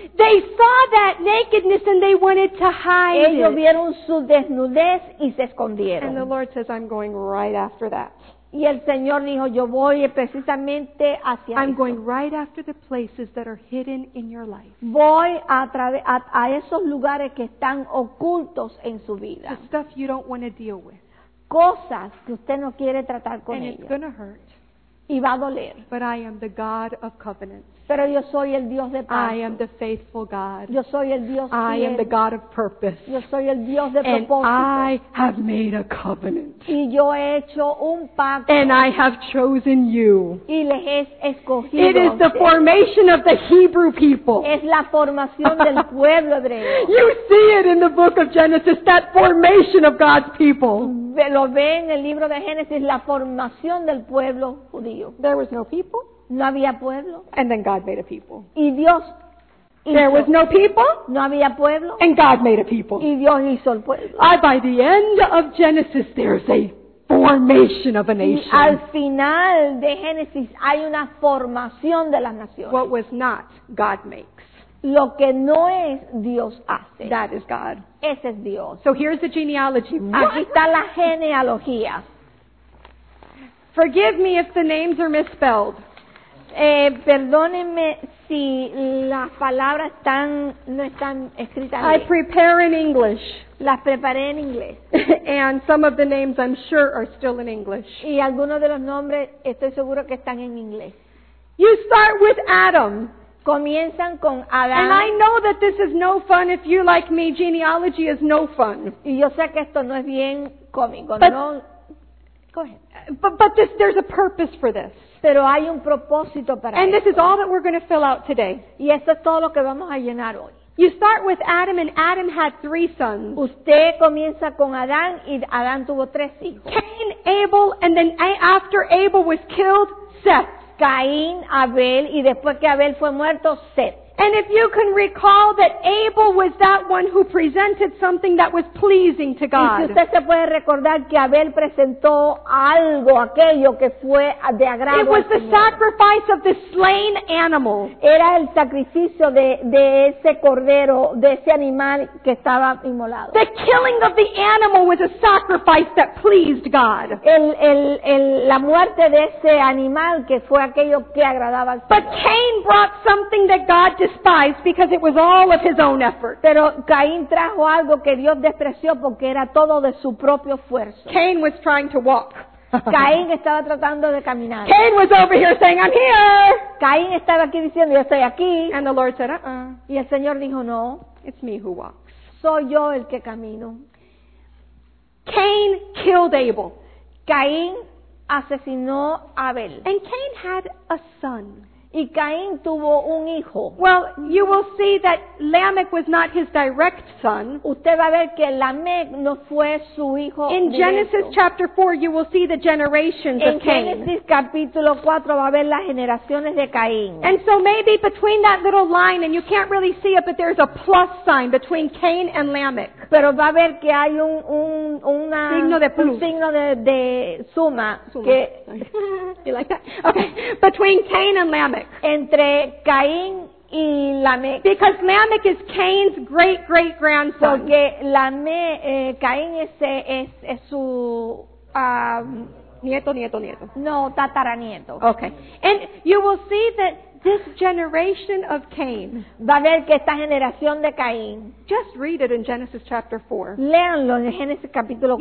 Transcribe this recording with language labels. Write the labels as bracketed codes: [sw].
[en] They saw that nakedness and they wanted to hide. [es] Ellos vieron su desnudez y se escondieron. [en] And the Lord says, I'm going right after that. [es] Y el Señor dijo, yo voy precisamente hacia [en] I'm going right after the places that are hidden in your life. [es] Voy a esos lugares que están ocultos en su vida. [en] The stuff you don't want to deal with. [es] Cosas que usted no quiere tratar con [en] ellas. And it's going to hurt. [es] Y va a doler. [en] But I am the God of covenants. [es] Pero yo soy el Dios de pacto. [en] I am the faithful God. [es] Yo soy el Dios fiel. [en] I am the God of purpose. [es] Yo soy el Dios de [en] and [es] propósito. [en] I have made a covenant. [es] Y yo he hecho un pacto. [en] And I have chosen you. [es] Y les he escogido. [en] It is the formation of the Hebrew people. [es] Es la formación del pueblo hebreo. [en] You see it in the book of Genesis, that formation of God's people. [es] Lo ve en el libro de Génesis, la formación del pueblo judío. [en] There was no people. [es] No había pueblo. [en] And then God made a people. [es] Y Dios hizo. [en] There was no people. [es] No había pueblo. [en] And God made a people. [es] Y Dios hizo el pueblo. [en] By the end of Genesis, there's a formation of a nation. [es] Y al final de Génesis hay una formación de las naciones. [en] What was not, God makes. [es] Lo que no es, Dios hace. [en] That is God. [es] Ese es Dios. [en] So here's the genealogy. [es] Aquí está la genealogía. [en] Forgive me if the names are misspelled. [es] Perdónenme si las palabras no están escritas. [en] I prepare in English. [es] Las preparé en inglés. [en] And some of the names I'm sure are still in English. [es] Y algunos de los nombres estoy seguro que están en inglés. [en] You start with Adam. [es] Comienzan con Adán. [en] And I know that this is no fun if you're like me. Genealogy is no fun. [es] Y yo sé que esto no es bien cómico. [en] But, no. Go ahead. But this, there's a purpose for this. [es] Pero hay un propósito para [en] and this [es] esto. [en] Is all that we're going to fill out today. [es] Y esto es todo lo que vamos a llenar hoy. [en] You start with Adam, and Adam had three sons. [es] Usted comienza con Adán, y Adán tuvo tres hijos. [en] Cain, Abel, and then after Abel was killed, Seth. [es] Caín, Abel, y después que Abel fue muerto, Seth. [en] And if you can recall that Abel was that one who presented something that was pleasing to God. [es] Y si usted se puede recordar que Abel presentó algo, aquello que fue de agrado al [en] Señor. It was the sacrifice of the slain animal. [es] Era el sacrificio de ese cordero, de ese animal que estaba inmolado. [en] The killing of the animal was a sacrifice that pleased God. [es] La muerte de ese animal que fue aquello que agradaba al Señor. [en] But Cain brought something that God despised because it was all of his own effort. [es] Pero Caín trajo algo que Dios despreció porque era todo de su propio esfuerzo. [en] Cain was trying to walk. [es] Caín estaba tratando de caminar. [en] Cain was over here saying, I'm here. [es] Caín estaba aquí diciendo, yo estoy aquí. [en] And the Lord said, uh-uh. [es] Y el Señor dijo, no. [en] It's me who walks. [es] Soy yo el que camino. [en] Cain killed Abel. [es] Caín asesinó a Abel. [en] And Cain had a son. [es] Y Caín tuvo un hijo. [en] Well, you will see that Lamech was not his direct son. [es] Usted va a ver que Lamech no fue su hijo [en] directo. In Genesis chapter 4, you will see the generations [es] en [en] of Cain. [es] En Génesis capítulo 4 va a ver las generaciones de Caín. [en] And so maybe between that little line, and you can't really see it, but there's a plus sign between Cain and Lamech. [es] Pero va a ver que hay un signo de plus. Un signo de suma. Que, [en] you like that? Okay. Between Cain and Lamech. [es] Entre Caín y Lamech. [en] Because Lamech is Cain's great-great-grandson. [es] Porque Caín es su nieto. No, tataranieto. [en] Okay. And you will see that this generation of Cain. [es] Va a ver que esta generación de Caín. [en] Just read it in Genesis chapter 4. [es] Léanlo en Génesis capítulo 4.